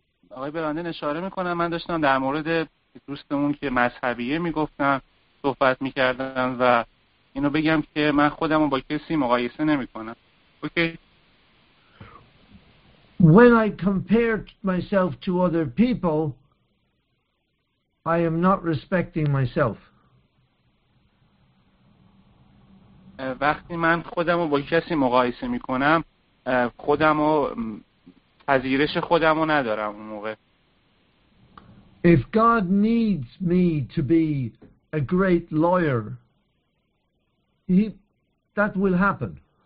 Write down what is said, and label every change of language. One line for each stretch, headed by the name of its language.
Persian: آقای برانده اشاره میکنم من داشتم در مورد دوستمون که مذهبیه میگفتم صحبت میکردم و اینو بگم که من خودمو با کسی مقایسه نمیکنم. اوکی.
English: When I compare myself to other people, I am not respecting myself.
Persian: وقتی من خودمو با کسی مقایسه میکنم خودمو پذیرش خودمو ندارم اون موقع.
English: If God needs me to be a great lawyer, that will happen.